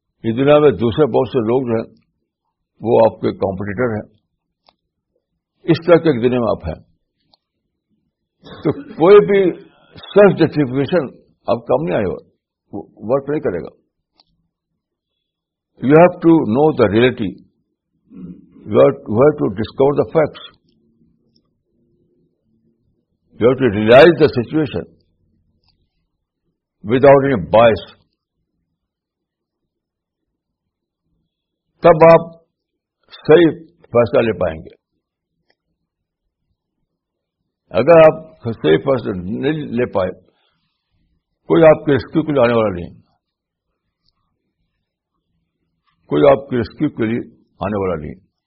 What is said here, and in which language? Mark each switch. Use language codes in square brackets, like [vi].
[ur] اس دنیا میں دوسرے بہت سے لوگ جو ہیں وہ آپ کے کمپٹیٹر ہیں. اس طرح کے ایک دنیا میں آپ ہیں, تو کوئی بھی سیلف جسٹیفیکیشن آپ کام نہیں آئے, وہ ورک نہیں کرے گا. [en] You have to know the reality, you have to discover the facts, you have to realise the situation. without any bias, [ur] تب آپ صحیح فیصلہ لے پائیں گے. اگر آپ صحیح فیصلہ نہیں لے پائے, کوئی آپ کے ریسکیو کے لیے آنے والا نہیں, کوئی آپ کے ریسکیو کے لیے آنے والا نہیں.